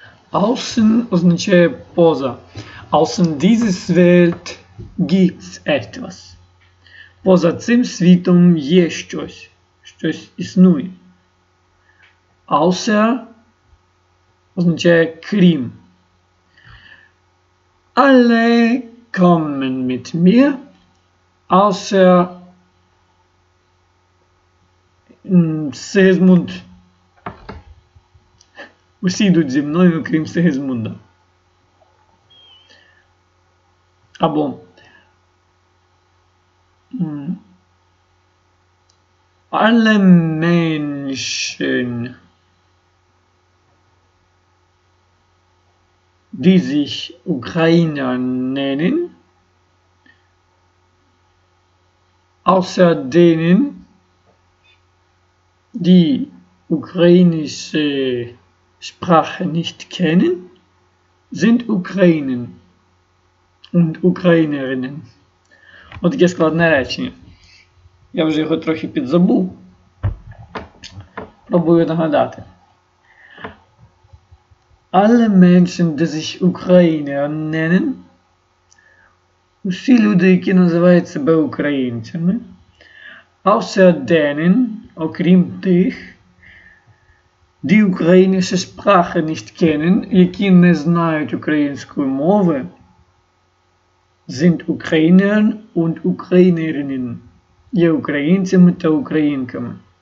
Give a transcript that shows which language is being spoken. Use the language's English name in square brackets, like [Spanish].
[Ukrainian] Außen означає поза. [German] Außen dieses Welt gibt's etwas. [Ukrainian] Поза цим світом є щось. Щось існує. Außer означає крім. [German] Alle kommen mit mir. Außer Sigismund. [Ukrainian] Усі йдуть зі мною, окрім Сигізмунда. [German] Або Alle Menschen, die sich Ukrainer nennen, außer denen, die ukrainische Sprache nicht kennen, sind Ukrainen und Ukrainerinnen. [Ukrainian] От яке складне речення. Я вже його трохи підзабув. Пробую нагадати. [German] Alle Menschen, die sich Ukrainer nennen, [Ukrainian] усі люди, які називають себе українцями, [German] außer denen, [Ukrainian] окрім тих, [German] Die ukrainische Sprache nicht kennen, [Ukrainian] які не знають української мови, [German] sind Ukrainern und Ukrainerinnen, [Ukrainian] є українцями та українками.